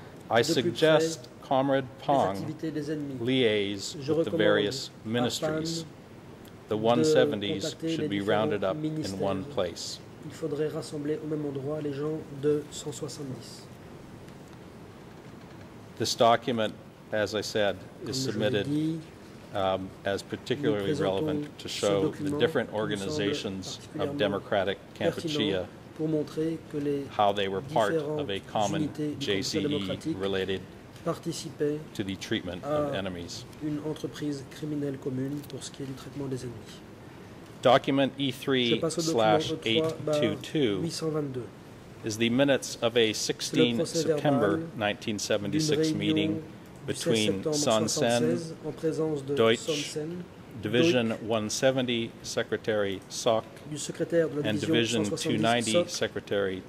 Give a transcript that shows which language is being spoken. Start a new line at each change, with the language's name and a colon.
English: I suggest Comrade Pong liaise with the various ministries. The 170s should be rounded up in one place.
French: Il faudrait rassembler au même endroit les gens de 170.
English: This document, as I said, is submitted as particularly relevant to show the different organizations of democratic Kampuchea, how they were part of a common JCE related to the treatment of enemies.
French: Une entreprise criminelle commune pour ce qui est du traitement des ennemis.
English: Document E3/822. Is the minutes of a 16 September 1976 meeting between Son Sen, Deutsch, Division 170 Secretary Sok, and Division 290 Secretary